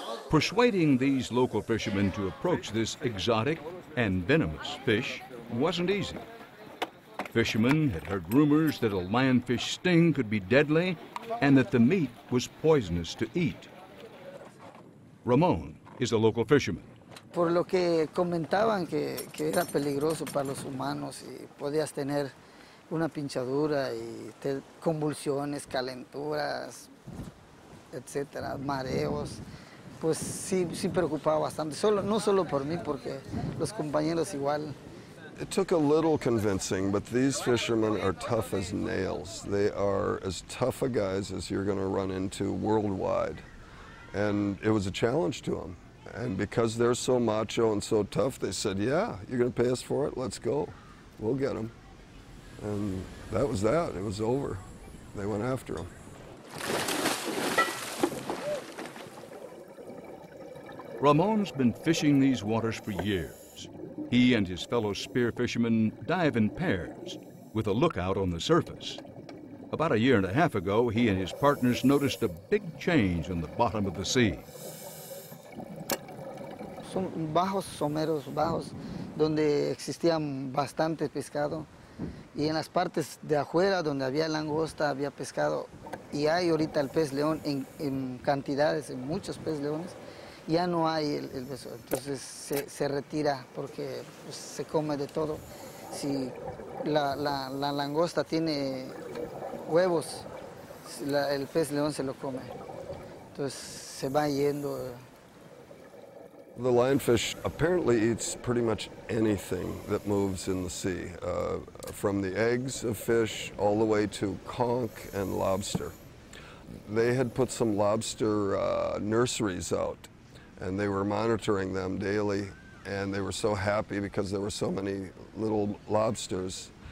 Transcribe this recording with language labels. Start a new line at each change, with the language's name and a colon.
English: Persuading these local fishermen to approach this exotic and venomous fish wasn't easy. Fishermen had heard rumors that a lionfish sting could be deadly and that the meat was poisonous to eat. Ramon is a local fisherman.
Spanish: Por lo que comentaban que era peligroso para los humanos y podías tener una pinchadura y convulsiones, calenturas, etc., mareos, pues sí preocupaba bastante. No solo por mí, porque los compañeros igual.
English: It took a little convincing, but these fishermen are tough as nails. They are as tough a guys as you're going to run into worldwide. And it was a challenge to them. And because they're so macho and so tough, they said, yeah, you're going to pay us for it? Let's go. We'll get them. And that was that. It was over. They went after them. Ramon's been fishing these waters for years. He and his fellow spear fishermen dive in pairs with a lookout on the surface. About a year and a half ago, he and his partners noticed a big change on the bottom of the sea.
Spanish: Son bajos someros, bajos donde existían bastante pescado. Y en las partes de afuera donde había langosta, había pescado. Y hay ahorita el pez león en cantidades, en muchos pez leones. Ya no hay el beso, entonces se retira porque pues, se come de todo. Si la langosta tiene huevos, el pez león se lo come. Entonces se va yendo.
English: The lionfish apparently eats pretty much anything that moves in the sea, from the eggs of fish all the way to conch and lobster. They had put some lobster nurseries out, and they were monitoring them daily, and they were so happy because there were so many little lobsters.